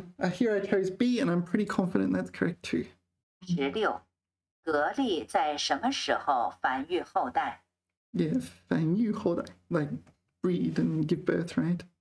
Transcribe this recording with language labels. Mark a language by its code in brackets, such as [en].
[en] here I chose B and I'm pretty confident that's correct too. 16. [zh] 蛤蜊在什么时候繁育后代？ [en] Yeah, [zh] 繁育后代, [en] like breed and give birth, right?